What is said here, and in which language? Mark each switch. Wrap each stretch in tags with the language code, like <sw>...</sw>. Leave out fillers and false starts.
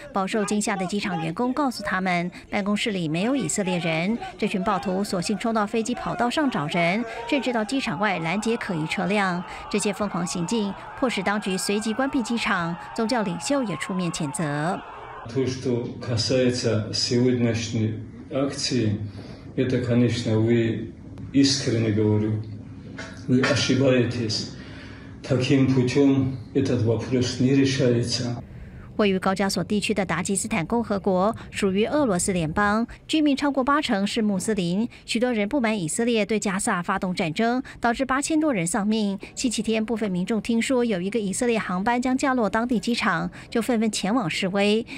<zh>饱受惊吓的机场员工告诉他们，办公室里没有以色列人。这群暴徒索性冲到飞机跑道上找人，甚至到机场外拦截可疑车辆。这些疯狂行径迫使当局随即关闭机场，宗教领袖也出面谴责。</zh> <ru>То, что касается сегодняшней акции, это, конечно, вы искренне говорю, вы ошибаетесь. Таким путем этот вопрос не решается.</ru> <zh>位于高加索地区的塔吉斯坦共和国属于俄罗斯联邦，居民超过80%是穆斯林。许多人不满以色列对加萨发动战争，导致8000多人丧命。星期天，部分民众听说有一个以色列航班将降落当地机场，就纷纷前往示威。</zh>